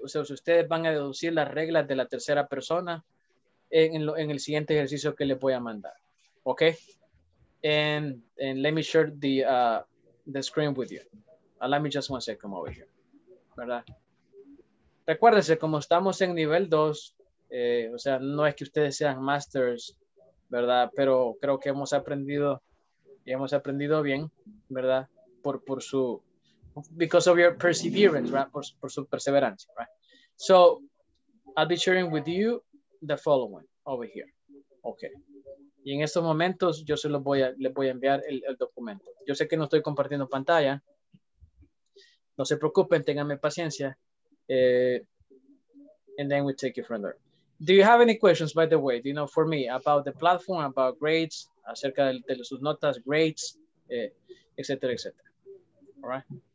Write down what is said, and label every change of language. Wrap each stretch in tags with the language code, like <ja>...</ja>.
<es>O sea, si ustedes van a deducir las reglas de la tercera persona en el siguiente ejercicio que les voy a mandar, okay?</es> <en>And let me share the screen with you. Allow me just one second over here.</en> <es>¿Verdad? Recuérdese, como estamos en nivel 2, O sea, no es que ustedes sean masters, ¿verdad? Pero creo que hemos aprendido y hemos aprendido bien, ¿verdad? Por su,</es> <en>because of your perseverance, right?</en> <es>Por su perseverancia, right?</es> <en>So, I'll be sharing with you the following over here. Okay.</en> <es>Y en estos momentos yo se los voy a, les voy a enviar el documento. Yo sé que no estoy compartiendo pantalla. No se preocupen, ténganme paciencia.</es> <en>And then we take it from there. Do you have any questions, by the way, you know, for me about the platform, about grades,</en> <es>acerca de sus notas,</es> <en>grades, etc., etc.? All right.</en>